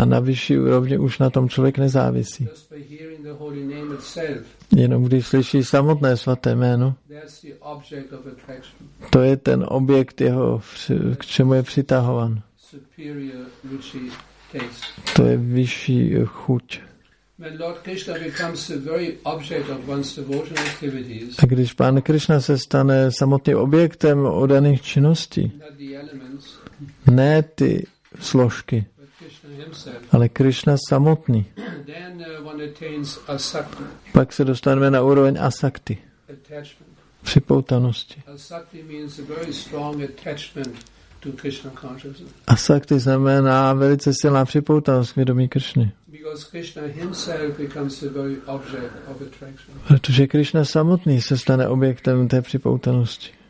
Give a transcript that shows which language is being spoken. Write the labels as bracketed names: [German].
[Czech] A na vyšší úrovni už na tom člověk nezávisí. [English] Just by hearing the holy name itself, [Czech] jenom když slyší samotné svaté jméno, [English] that's the object of attraction. [Czech] To je ten objekt jeho, k čemu je přitahován. [English] Superior ruchi taste. [Czech] To je vyšší chuť. [English] When Lord Krishna becomes the very object of one's devotional activities, [Czech] a když Pán Krishna se stane samotným objektem oddaných činností, [English] not the elements, [Czech] ne ty složky, [English] but Krishna himself, [Czech] ale Krishna samotný, [English] then one attains asakti. [Czech] Pak se dostaneme na úroveň asakti, [English] attachment. [Czech] Připoutanosti. [English] Asakti means a very strong attachment to Krishna consciousness. [Czech] Asakti znamená velice silná připoutanost k vědomí Krishny. [English] Because Krishna himself becomes the very object of attraction. [Czech] Protože Krishna samotný se stane objektem té připoutanosti.